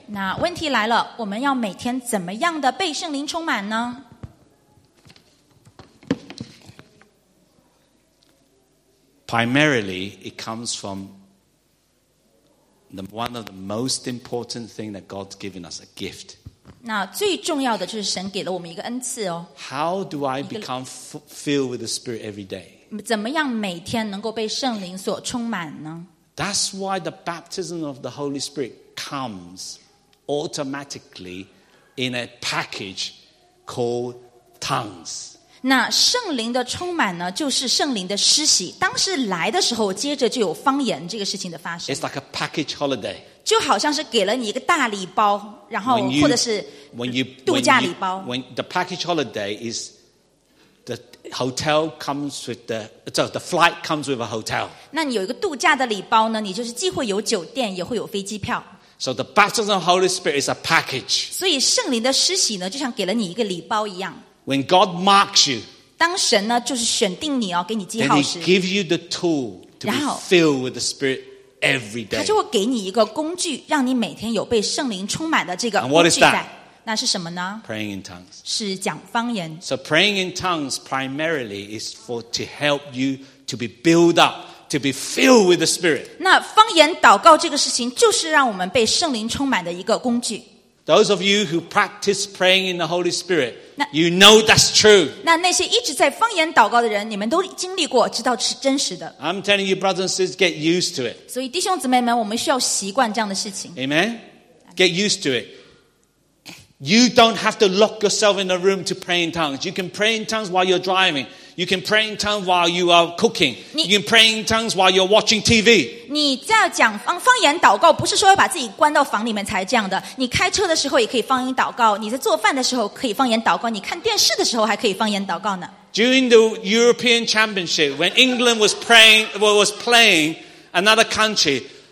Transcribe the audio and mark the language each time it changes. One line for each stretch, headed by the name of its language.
Chinese: 那问题来了，我们要每天怎么样的被圣灵充满呢？
English: Primarily, it comes from one of the most important things that God's given us, a gift.
Chinese: 那最重要的就是神给了我们一个恩赐哦。
English: How do I become filled with the Spirit every day?
Chinese: 怎么样每天能够被圣灵所充满呢？
English: That's why the baptism of the Holy Spirit comes automatically in a package called tongues.
Chinese: 那圣灵的充满呢，就是圣灵的施洗。当时来的时候，接着就有方言这个事情的发生。
English: It's like a package holiday.
Chinese: 就好像是给了你一个大礼包，然后或者是度假礼包。
English: When the package holiday is the hotel comes with the flight comes with a hotel.
Chinese: 那你有一个度假的礼包呢，你就是既会有酒店，也会有飞机票。
English: So the baptism of the Holy Spirit is a package.
Chinese: 所以圣灵的施洗呢，就像给了你一个礼包一样。
English: When God marks you,
Chinese: 当神呢就是选定你哦，给你记号时。
English: Then He gives you the tool to be filled with the Spirit every day.
Chinese: 他就会给你一个工具，让你每天有被圣灵充满的这个工具在。
English: And what is that?
Chinese: 那是什么呢?
English: Praying in tongues.
Chinese: 是讲方言。
English: So praying in tongues primarily is for to help you to be built up, to be filled with the Spirit.
Chinese: 那方言祷告这个事情就是让我们被圣灵充满的一个工具。
English: Those of you who practice praying in the Holy Spirit, you know that's true.
Chinese: 那些一直在方言祷告的人，你们都经历过，知道是真实的。
English: I'm telling you, brothers and sisters, get used to it.
Chinese: 所以弟兄姊妹们，我们需要习惯这样的事情。
English: Amen? Get used to it. You don't have to lock yourself in a room to pray in tongues. You can pray in tongues while you're driving. You can pray in tongues while you are cooking. You can pray in tongues while you're watching TV.
Chinese: 你在讲方言祷告，不是说要把自己关到房里面才这样的。你开车的时候也可以方言祷告，你在做饭的时候可以方言祷告，你看电视的时候还可以方言祷告呢。
English: During the European Championship, when England was playing another country,